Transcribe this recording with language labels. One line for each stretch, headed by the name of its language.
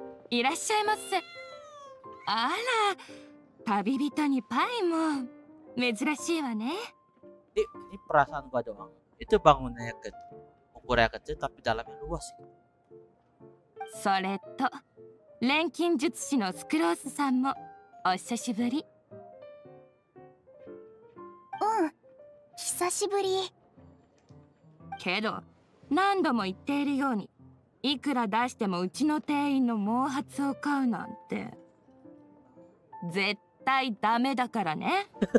Japanese: いらっしゃいませ。あら、旅人にパイも珍しいわね。
Indonesian: ini perasaan gua doang. Itu bangunannya kecil, ukurannya kecil, tapi dalamnya luas.
Japanese: それと、錬金術師のスクロースさんもお久しぶり。うん、久しぶり。けど、何度も言っているように。いくら出してもうちの店員の毛髪を買うなんて絶対ダメだからね。